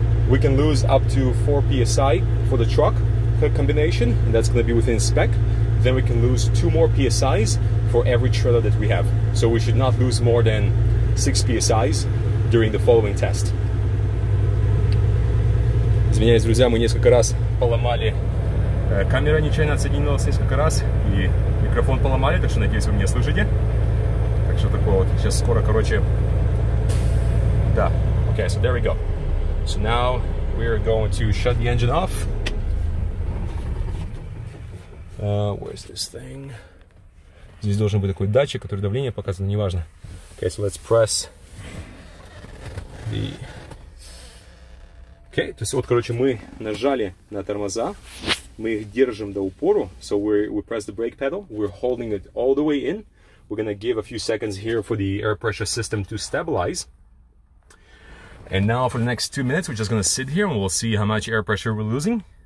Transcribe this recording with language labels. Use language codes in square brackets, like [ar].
[en] We can lose up to 4 psi for the truck. Combination, and that's going to be within spec. Then we can lose 2 more PSIs for every trailer that we have. So we should not lose more than 6 PSIs during the following test. [ru] Извиняюсь, друзья, мы несколько раз поломали. Камера нечаянно отсоединилась несколько раз, и микрофон поломали, так что надеюсь, вы меня слышите. Так что такое вот. Сейчас скоро, короче... Да. [en] Okay, so there we go. So now we are going to shut the engine off. Where's this thing? [ru] Здесь должен быть такой датчик, который давление показывает, неважно. [en] Okay, so let's press the... [ru] Okay, то есть вот, короче, мы нажали на тормоза, мы их держим до упору. [en] So we press the brake pedal, we're holding it all the way in. We're gonna give a few seconds here for the air pressure system to stabilize. And now for the next 2 minutes, we're just gonna sit here and we'll see how much air pressure we're losing.